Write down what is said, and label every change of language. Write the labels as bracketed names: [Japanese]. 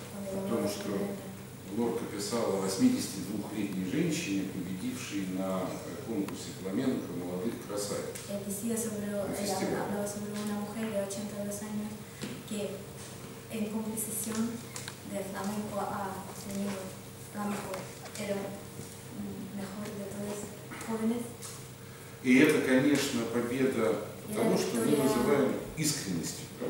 [Russian] Потому что Лорка писал о 82-летней женщине, победившей на конкурсе фламенко молодых красавиц. [Spanish] Hablaba sobre una mujer de 82 años que en competición de flamenco ha tenido la mejor, era mejor de todas jóvenes. [Russian] И это, конечно, победа того, что мы называем искренностью.